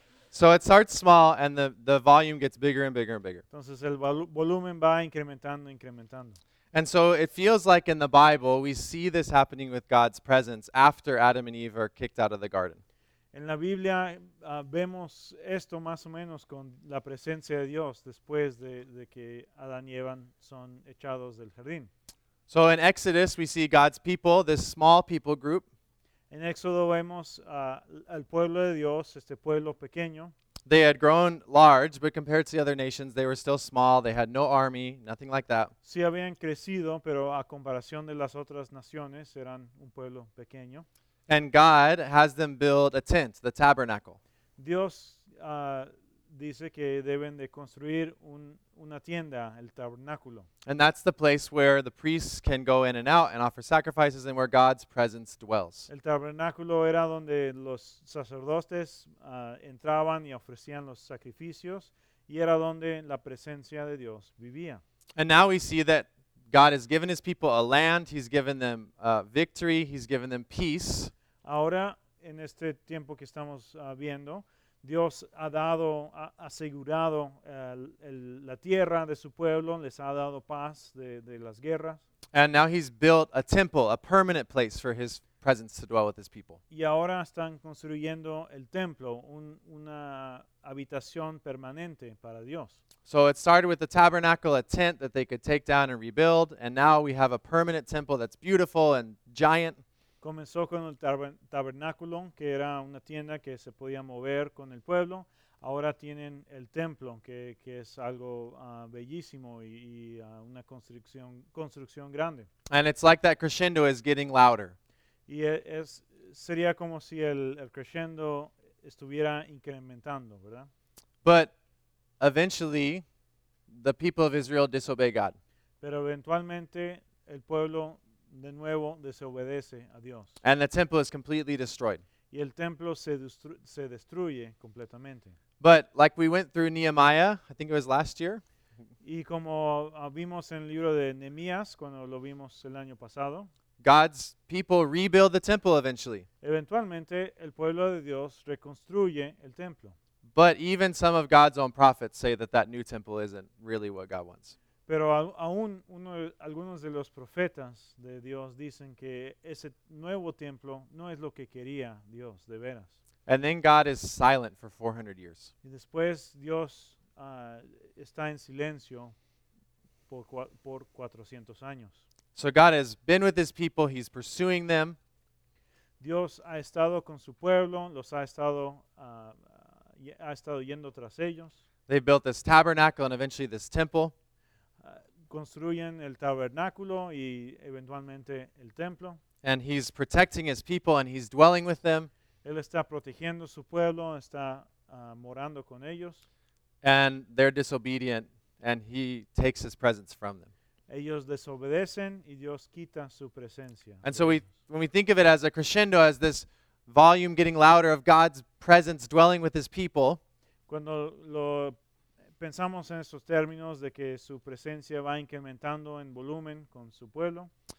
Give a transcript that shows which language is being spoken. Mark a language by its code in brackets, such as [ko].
[en] So it starts small and the volume gets bigger and bigger and bigger. [es] Entonces el volumen va incrementando. [en] And so it feels like in the Bible we see this happening with God's presence after Adam and Eve are kicked out of the garden. [es] En la Biblia vemos esto más o menos con la presencia de Dios después de que Adán y Eva son echados del jardín. [en] So in Exodus we see God's people, this small people group. [es] En Éxodo vemos al pueblo de Dios, este pueblo pequeño. [en] They had grown large, but compared to the other nations, they were still small. They had no army, nothing like that. [es] Sí habían crecido, pero a comparación de las otras naciones, eran un pueblo pequeño. [en] And God has them build a tent, the tabernacle. [es] Dios dice que deben de construir una tienda, el tabernáculo. [en] And that's the place where the priests can go in and out and offer sacrifices and where God's presence dwells. [es] El tabernáculo era donde los sacerdotes entraban y ofrecían los sacrificios, y era donde la presencia de Dios vivía. [en] And now we see that God has given his people a land, he's given them victory, he's given them peace. [es] Ahora, en este tiempo que estamos viendo, Dios ha dado, ha asegurado la tierra de su pueblo, les ha dado paz de las guerras. [en] And now he's built a temple, a permanent place for his presence to dwell with his people. [es] Y ahora están construyendo el templo, una habitación permanente para Dios. [en] So it started with the tabernacle, a tent that they could take down and rebuild, and now we have a permanent temple that's beautiful and giant. [es] Comenzó con el tabernáculo, que era una tienda que se podía mover con el pueblo. Ahora tienen el templo, que es algo bellísimo y una construcción grande. [en] And it's like that crescendo is getting louder. [es] Y sería como si el crescendo estuviera incrementando, ¿verdad? [en] But eventually, the people of Israel disobey God. [es] Pero eventualmente el pueblo de nuevo desobedece a Dios. [en] And the temple is completely destroyed. [es] Y el templo se destruye completamente. [en] But like we went through Nehemiah, I think it was last year. [es] Y como vimos en el libro de Nehemías cuando lo vimos el año pasado. [en] God's people rebuild the temple eventually. [es] Eventualmente el pueblo de Dios reconstruye el templo. [en] But even some of God's own prophets say that that new temple isn't really what God wants. [es] Pero aún algunos de los profetas de Dios dicen que ese nuevo templo no es lo que quería Dios, de veras. [en] And then God is silent for 400 years. [es] Y después Dios está en silencio por 400 años. [en] So God has been with his people, he's pursuing them. [es] Dios ha estado con su pueblo, los ha estado ha estado yendo tras ellos. [en] They built this tabernacle and eventually this temple. [es] Construyen el tabernáculo y eventualmente el templo. [en] And he's protecting his people and he's dwelling with them. [es] Él está protegiendo su pueblo, está morando con ellos. [en] And they're disobedient and he takes his presence from them. [es] Ellos desobedecen y Dios quita su presencia. [en] And so when we think of it as a crescendo, as this volume getting louder of God's presence dwelling with his people. [es] Cuando lo pensamos en estos términos de que su presencia va incrementando en volumen con su pueblo.